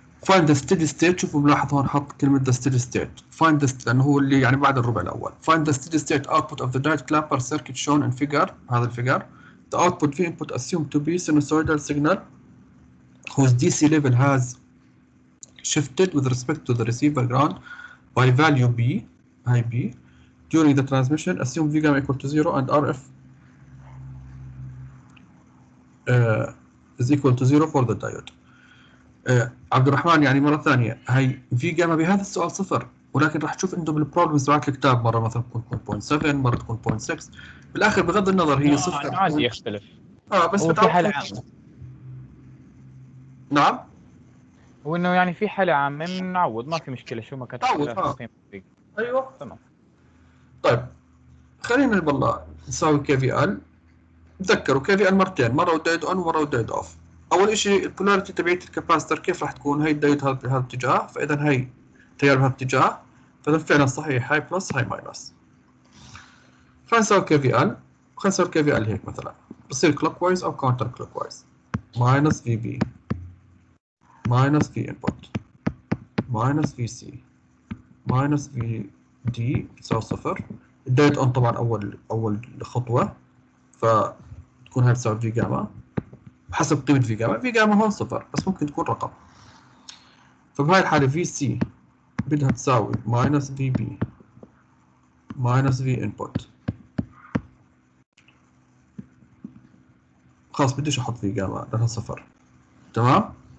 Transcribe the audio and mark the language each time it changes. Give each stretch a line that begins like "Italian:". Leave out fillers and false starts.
English: find the steady state،
Arabic: شوفوا ملاحظ هون حط كلمة
English: the steady state. find the state
Arabic: لأنه هو اللي يعني بعد الربع الأول.
English: find the steady state output of the diode clamper circuit shown in figure،
Arabic: هذا الفيجر.
English: the output في input assumed to be sinusoidal signal whose DC level has shifted with respect to the receiver ground by value B, high B, during the transmission. Assume V gamma equal to zero and RF is equal to zero for the diode.
Arabic: عبد الرحمن يعني مرة ثانية هاي V gamma بهذا السؤال صفر، ولكن راح تشوف عنده بالproblems بعد الكتاب مرة مثلا تكون 0.7 مرة تكون 0.6 بالآخر بغض النظر هي صفر. عادي يختلف. بس في حالة عامة. نعم. هو انه يعني في حالة عامة نعوض، ما في مشكلة شو ما كانت تعوض. ايوه تمام. طيب خلينا بالله نساوي KVL. تذكروا KVL مرتين، مرة ودايد اون ومرة ودايد اوف. اول اشي البولاريتي تبعيت الكاباستر كيف راح تكون، هي الدايد هذا الاتجاه، فاذا هي تيار بهذا الاتجاه فاذا فعلا صحيح هاي بلس هاي ماينس. خلينا نساوي KVL، خلينا نساوي KVL هيك مثلا، بصير clockwise او counter clockwise. ماينس VB minus V input minus VC minus VD بتساوي صفر. الدايت اون طبعا اول خطوة، فتكون هاي بتساوي في جاما حسب قيمة في جاما. في جاما هون صفر بس ممكن تكون رقم. فبهاي الحالة VC بدها تساوي minus VB minus V input، خلاص بديش احط في جاما لانها صفر. تمام.